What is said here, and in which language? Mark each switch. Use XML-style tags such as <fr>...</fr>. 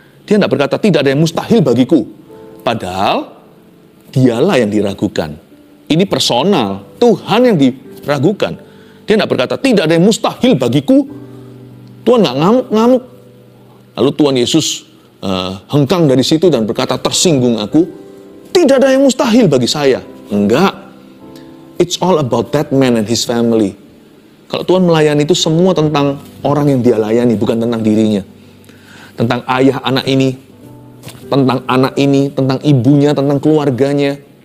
<id>Dia tidak berkata, tidak ada yang mustahil bagiku. Padahal, dialah yang diragukan. Ini personal, Tuhan yang diragukan. Dia tidak berkata, tidak ada yang mustahil bagiku. Tuhan tidak ngamuk-ngamuk. Lalu Tuhan Yesus hengkang dari situ dan berkata, tersinggung aku. Tidak ada yang mustahil bagi saya. Enggak.</id> <en>It's all about that man and his family.</en> <id>Kalau Tuhan melayani itu semua tentang orang yang dia layani, bukan tentang dirinya. Tentang ayah anak ini, tentang anak ini, tentang ibunya, tentang keluarganya.</id>